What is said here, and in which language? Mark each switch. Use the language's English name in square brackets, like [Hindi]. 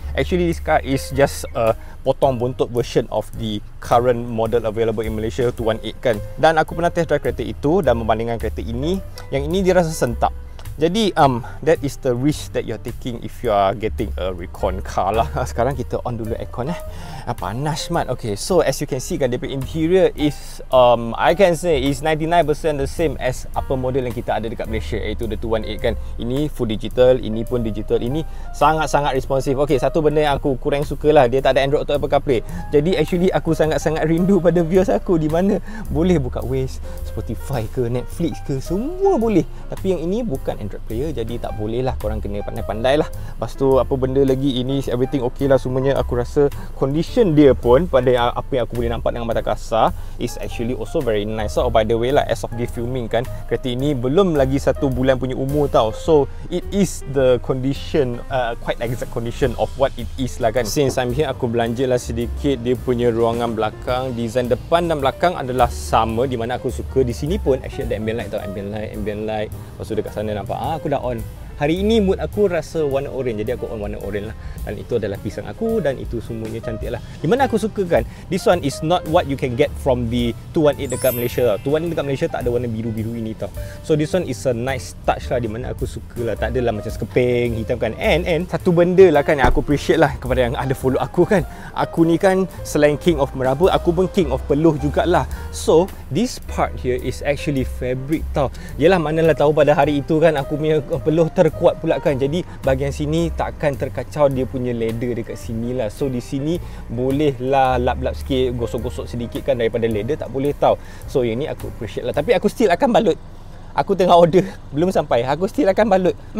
[English] Actually, this car is just a [Malay] potong bontot [English] version of the current model available in Malaysia, 218 kan. [Malay] Dan aku pernah [English] test drive [Malay] kereta itu dan membandingkan kereta ini, yang ini dia rasa sentap. Jadi [English] that is the risk that you're taking if you are getting a recon car lah. [Malay] Sekarang kita on dulu aircon eh. Panas mat. [English] Okay, so as you can see [Malay] kan, dia punya interior [English] is I can say is 99% the same as [Malay] apa model yang kita ada dekat Malaysia, iaitu the 218 kan. Ini full digital, ini pun digital, ini sangat-sangat responsif. Okay, satu benda yang aku kurang suka lah, dia tak ada Android Auto Apple CarPlay. Jadi actually aku sangat-sangat rindu pada Vios aku, di mana boleh buka Waze, Spotify ke, Netflix ke, semua boleh. Tapi yang ini bukan Android player, jadi tak boleh lah, korang kena pandai-pandai lah. Lepas tu apa benda lagi, ini everything okay lah semuanya. Aku rasa condition dia pun pada apa yang aku boleh nampak dengan mata kasar [English] is actually also very nice. Oh by the way [Malay] lah, [English] as of the filming [Malay] kan, kereta ini belum lagi 1 bulan punya umur tau. [English] So it is the condition, quite exact condition of what it is lah kan. Since I'm here, [Malay] aku belanja lah sedikit. Dia punya ruangan belakang, design depan dan belakang adalah sama, di mana aku suka. Di sini pun actually ada ambient light tau, ambient light. Lepas tu dekat sana nampak, aku dah on. Hari ini mood aku rasa warna orange, jadi aku on warna orange lah. Dan itu adalah pisang aku dan itu semuanya cantik lah. Di mana aku suka kan, [English] this one is not what you can get from the 218 [Malay] dekat Malaysia tau. 218 dekat Malaysia tak ada warna biru-biru ini tau. [English] So this one is a nice touch [Malay] lah, di mana aku suka lah. Tak adalah macam sekeping, hitam kan. And satu benda lah kan yang aku appreciate lah kepada yang ada follow aku kan. Aku ni kan selain king of meraba, aku pun king of peluh jugalah. [English] So this part here is actually fabric tau. [Malay] Yelah, manalah tahu pada hari itu kan aku punya peluh terkuat pula kan. Jadi bahagian sini takkan terkacau dia punya leather dekat sini lah. So di sini bolehlah lap-lap sikit, gosok-gosok sedikit kan daripada leather, tak boleh tau. So yang ni aku appreciate lah. Tapi aku still akan balut. Aku tengah order, belum sampai. Aku still akan balut.